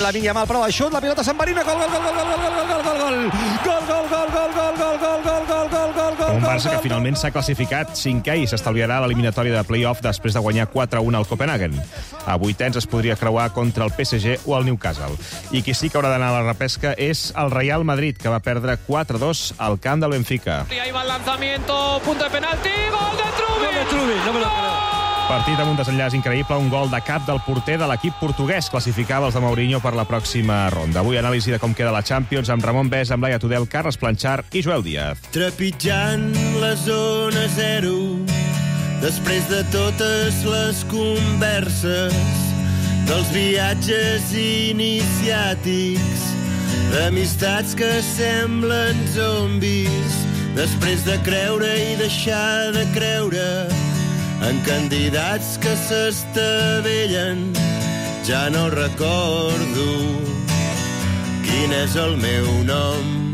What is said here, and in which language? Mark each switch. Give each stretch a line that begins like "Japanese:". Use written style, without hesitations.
Catalan: La Minya mal, prova, xut, la pilota se'n marina, gol, gol, gol, gol, gol, gol, gol, gol, gol, gol, gol, gol, gol, gol, gol, gol, gol, gol, gol, gol, gol, gol, gol, gol, gol, gol, gol, gol, gol, gol, gol, gol, gol, gol, gol, gol, gol, gol, gol, gol, gol, gol, gol, gol, gol, gol, gol, gol, gol, gol, gol, gol, gol, gol, gol, gol, gol, gol, gol, gol, gol, gol, gol, gol, gol. A vuitens es podria creuar contra el PSG o el Newcastle. I qui sí que haurà d'anar a la repesca és el Real Madrid, que va perdre 4-2 al camp del Benfica.
Spanish: Y ahí va el lanzamiento, punto de penalti, gol de Trubin! Gol de Trubin, no me lo creo.
Catalan: Partit amb un desenllaç increïble, un gol de cap del porter de l'equip portuguès. Classificava els de Mourinho per la pròxima ronda. Avui anàlisi de com queda la Champions amb Ramon Bes, amb Laia Tudel, Carles Planchar i Joel Díaz. Trepitjant la zona zero, després de totes les converses, dels viatges iniciàtics, d'amistats que semblen zombis, després de creure i deixar de creure en candidats que s'estavellen, ja no recordo quin és el meu nom.